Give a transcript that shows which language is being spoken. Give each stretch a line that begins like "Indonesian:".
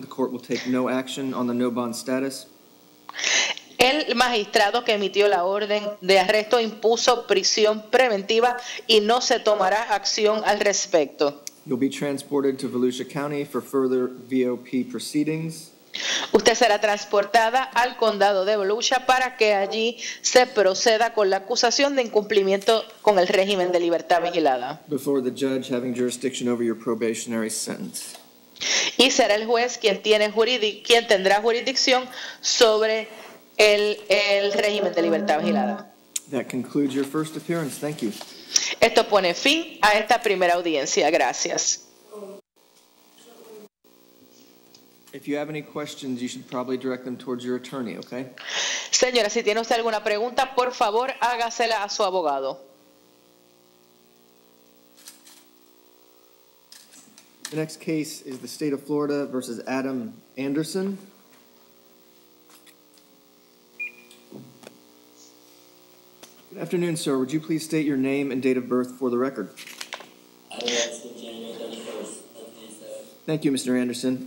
English: The court will take no action on the no bond status.
Spanish: El magistrado que emitió la orden de arresto impuso prisión preventiva y no se tomará acción al respecto.
English: You'll be transported to Volusia County for further VOP proceedings.
Spanish: Usted será transportada al condado de Volusia para que allí se proceda con la acusación de incumplimiento con el régimen de libertad vigilada.
English: Before the judge having jurisdiction over your probationary sentence.
Spanish: Y será el juez quien tendrá jurisdicción sobre el régimen de libertad vigilada.
English: That concludes your first appearance. Thank you.
Spanish: Esto pone fin a esta primera audiencia. Gracias.
English: If you have any questions, you should probably direct them towards your attorney, okay?
Spanish: Señora, si tiene usted alguna pregunta, por favor, hágasela a su abogado.
English: The next case is the State of Florida versus Adam Anderson. Good afternoon, sir. Would you please state your name and date of birth for the record? Thank you, Mr. Anderson.